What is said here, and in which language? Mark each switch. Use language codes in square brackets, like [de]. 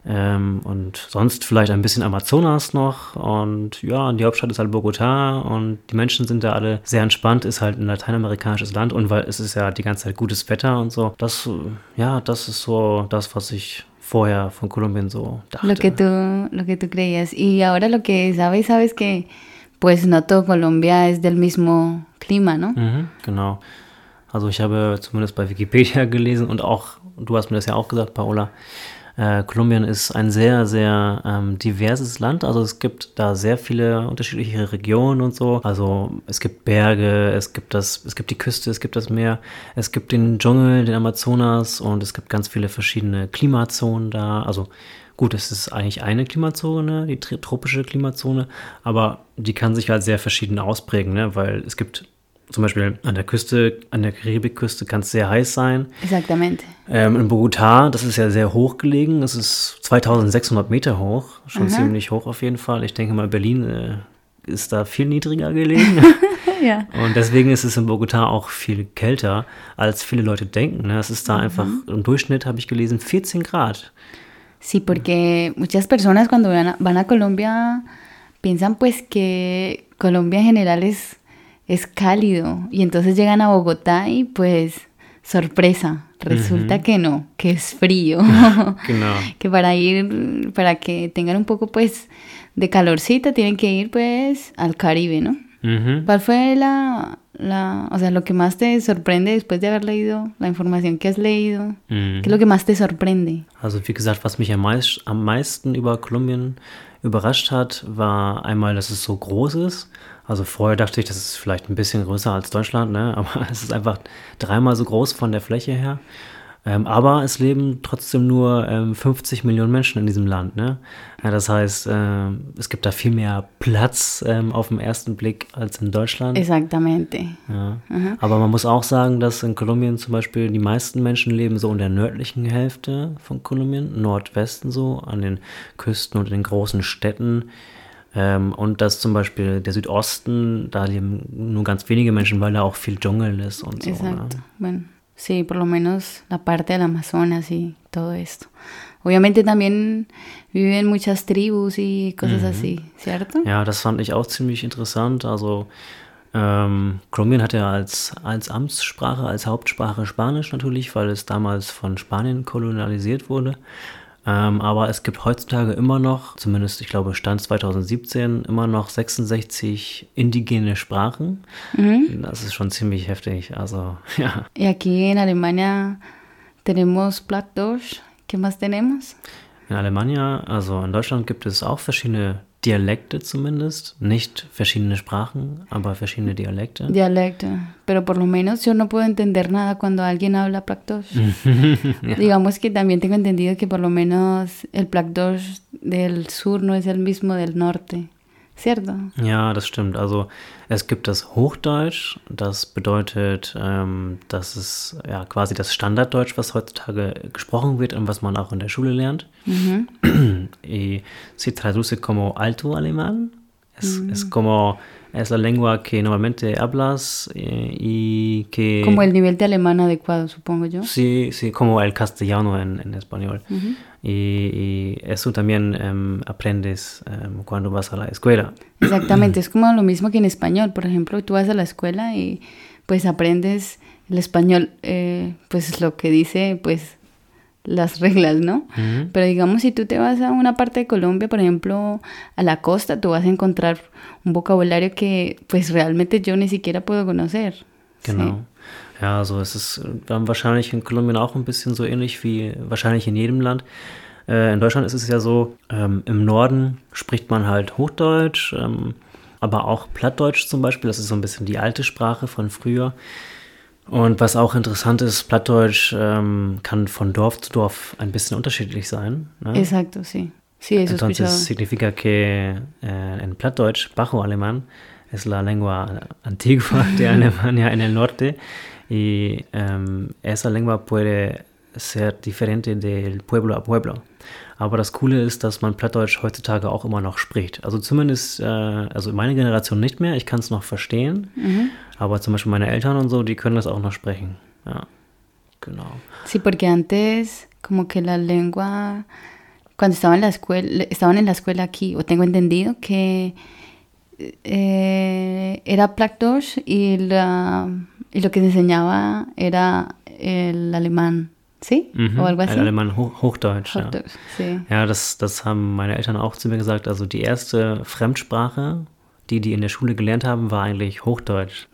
[de] Und sonst vielleicht ein bisschen Amazonas noch. Und ja, die Hauptstadt ist halt Bogota und die Menschen sind da alle sehr entspannt, ist halt ein lateinamerikanisches Land und weil es ist ja die ganze Zeit gutes Wetter und so. Das, ja, das ist so das, was ich vorher von Kolumbien so dachte. [es] Lo que tú creías. Y ahora lo que sabes que pues no todo Colombia es del mismo clima, ¿no? [de] Mhm, genau. Also ich habe zumindest bei Wikipedia gelesen und auch, du hast mir das ja auch gesagt, Paola, Kolumbien ist ein sehr, sehr diverses Land. Also es gibt da sehr viele unterschiedliche Regionen und so. Also es gibt Berge, es gibt die Küste, es gibt das Meer, es gibt den Dschungel, den Amazonas und es gibt ganz viele verschiedene Klimazonen da. Also gut, es ist eigentlich eine Klimazone, die tropische Klimazone, aber die kann sich halt sehr verschieden ausprägen, ne? Weil es gibt zum Beispiel an der Küste, an der Karibikküste kann es sehr heiß sein. [es] Exactamente. [de] In Bogotá, das ist ja sehr hoch gelegen, es ist 2600 Meter hoch, schon ziemlich hoch auf jeden Fall. Ich denke mal, Berlin ist da viel niedriger gelegen. Ja. Und deswegen ist es in Bogotá auch viel kälter, als viele Leute denken. Es ist da einfach, im Durchschnitt habe ich gelesen, 14 Grad. [es] Sí, porque muchas personas cuando van a Colombia piensan pues que Colombia en general es cálido y entonces llegan a Bogotá y pues sorpresa, resulta que no, que es frío. [de] Genau. [es] Que para que tengan un poco pues de calorcito tienen que ir pues al Caribe, ¿no? Uh-huh. ¿Cuál fue o sea, lo que más te sorprende después de haber leído la información que has leído? ¿Qué es lo que más te sorprende? [de] Also, wie gesagt, was mich am meisten über Kolumbien überrascht hat, war einmal, dass es so groß ist. Also vorher dachte ich, das ist vielleicht ein bisschen größer als Deutschland, ne? Aber es ist einfach dreimal so groß von der Fläche her. Aber es leben trotzdem nur 50 Millionen Menschen in diesem Land, ne? Ja, das heißt, es gibt da viel mehr Platz auf den ersten Blick als in Deutschland. [es] Exactamente. [de] Ja. Aber man muss auch sagen, dass in Kolumbien zum Beispiel die meisten Menschen leben so in der nördlichen Hälfte von Kolumbien, Nordwesten so, an den Küsten und in den großen Städten. Und dass zum Beispiel der Südosten, da leben nur ganz wenige Menschen, weil da auch viel Dschungel ist und so. Exakt. Ne? [es] Sí, por lo menos la parte del Amazonas y todo esto. Obviamente también viven muchas tribus y cosas así, ¿cierto? [de] Ja, das fand ich auch ziemlich interessant. Also, Kolumbien hat ja als Amtssprache, als Hauptsprache Spanisch natürlich, weil es damals von Spanien kolonialisiert wurde. Aber es gibt heutzutage immer noch, zumindest ich glaube Stand 2017, immer noch 66 indigene Sprachen. Das ist schon ziemlich heftig, also ja. [es] Y aquí en Alemania tenemos Plattdeutsch. ¿Qué más tenemos? [de] In Alemania, also in Deutschland, gibt es auch verschiedene Dialekte zumindest. Nicht verschiedene Sprachen, aber verschiedene Dialekte. Dialekte. [es] Pero por lo menos yo no puedo entender nada cuando alguien habla Plattdeutsch. [de] Ja. [es] Digamos que también tengo entendido que por lo menos el Plattdeutsch del sur no es el mismo del norte. ¿Cierto? [de] Ja, das stimmt. Also es gibt das Hochdeutsch. Das bedeutet, das ist ja quasi das Standarddeutsch, was heutzutage gesprochen wird und was man auch in der Schule lernt. [es] Y se traduce como alto alemán. Es como, es la lengua que normalmente hablas y que... Como el nivel de alemán adecuado, supongo yo. Sí, sí, como el castellano en español. Y eso también aprendes cuando vas a la escuela. Exactamente, es como lo mismo que en español. Por ejemplo, tú vas a la escuela y pues aprendes el español, pues lo que dice, pues... las reglas, ¿no? Pero digamos, si tú te vas a una parte de Colombia, por ejemplo, a la costa, tú vas a encontrar un vocabulario que, pues, realmente yo ni siquiera puedo conocer. [de] Genau. [es] ¿Sí? [de] Ja, also es ist dann wahrscheinlich in Kolumbien auch ein bisschen so ähnlich wie wahrscheinlich in jedem Land. In Deutschland ist es ja so, im Norden spricht man halt Hochdeutsch, aber auch Plattdeutsch zum Beispiel. Das ist so ein bisschen die alte Sprache von früher. Und was auch interessant ist, Plattdeutsch kann von Dorf zu Dorf ein bisschen unterschiedlich sein. Ne? [es] Exacto, sí. Sí, eso entonces escuchado. Significa que en Plattdeutsch, Bajo Alemán, es la lengua antigua de Alemania en el norte. Y esa lengua puede ser diferente del pueblo a pueblo. [de] Aber das Coole ist, dass man Plattdeutsch heutzutage auch immer noch spricht. Also zumindest, also meine Generation nicht mehr, ich kann es noch verstehen. Aber zum Beispiel meine Eltern und so, die können das auch noch sprechen. Ja, genau. [es] Sí, porque antes, como que la lengua, cuando estaban en la escuela aquí, o tengo entendido que era Plattdeutsch y lo que se enseñaba era el alemán. Sí? [de] Mhm. Oder was? Alemann, Hochdeutsch. Hochdeutsch, ja. [es] Sí. [de] Ja, das haben meine Eltern auch zu mir gesagt. Also die erste Fremdsprache, die in der Schule gelernt haben, war eigentlich Hochdeutsch.